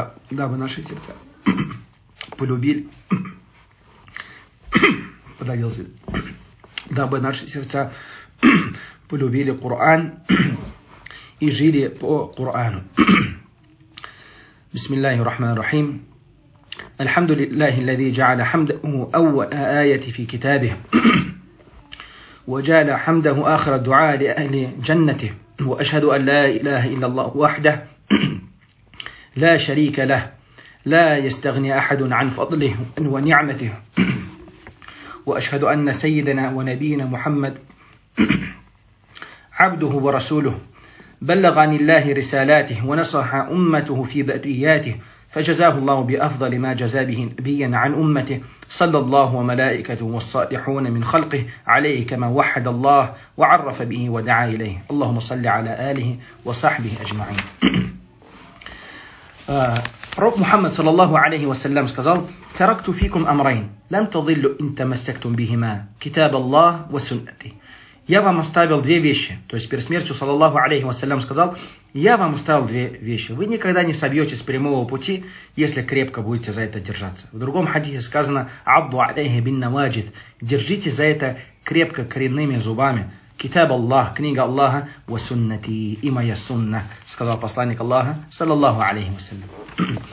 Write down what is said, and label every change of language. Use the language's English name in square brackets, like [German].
[Russian] дабы наши сердца полюбили... подавился. Дабы наши сердца полюбили Коран и жили по Корану. [Arabic] بسم الله الرحمن الرحيم الحمد لله الذي جعل حمده أول آية في كتابه وجعل حمده آخر الدعاء لأهل جنته وأشهد أن لا إله إلا الله وحده لا شريك له لا يستغني أحد عن فضله ونعمته وأشهد أن سيدنا ونبينا محمد عبده ورسوله بلغ عن الله رسالاته ونصح أمته في برياته فجزاه الله بأفضل ما جزى به نبيا عن أمته صلى الله وملائكته والصالحون من خلقه عليه كما وحد الله وعرف به ودعا إليه اللهم صل على آله وصحبه أجمعين. رب محمد صلى الله عليه وسلم [Russian] сказал: [Arabic] تركت فيكم أمرين لم تضلوا إن تمسكتم بهما كتاب الله وسنتي. [Russian] Я вам оставил две вещи. То есть перед смертью, саллаллаху алейхи вассалям, сказал, я вам оставил две вещи. Вы никогда не собьетесь с прямого пути, если крепко будете за это держаться. В другом хадисе сказано, [Arabic] «Абду алейхи бин наваджид», [Russian] держите за это крепко коренными зубами. Китаб Аллах, книга Аллаха, ва суннати, и моя сунна, сказал посланник Аллаха, саллаллаху алейхи ва саллям.